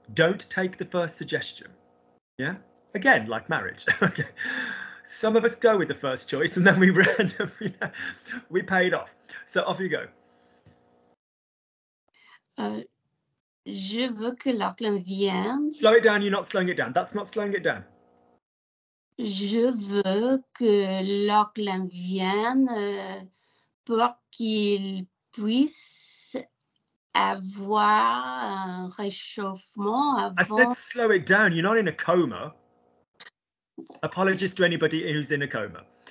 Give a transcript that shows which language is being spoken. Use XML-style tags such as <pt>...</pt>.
<en>Don't take the first suggestion. Yeah? Again, like marriage. Okay. Some of us go with the first choice and then we ran, we paid off. So off you go.</en> <fr>Je veux que Lachlan vienne.</fr> <en>Slow it down, you're not slowing it down. That's not slowing it down.</en> <fr>Je veux que Lachlan vienne pour qu'il puisse avoir un réchauffement avant.</fr> <en>I said slow it down, you're not in a coma. Apologies to anybody who's in a coma.</en>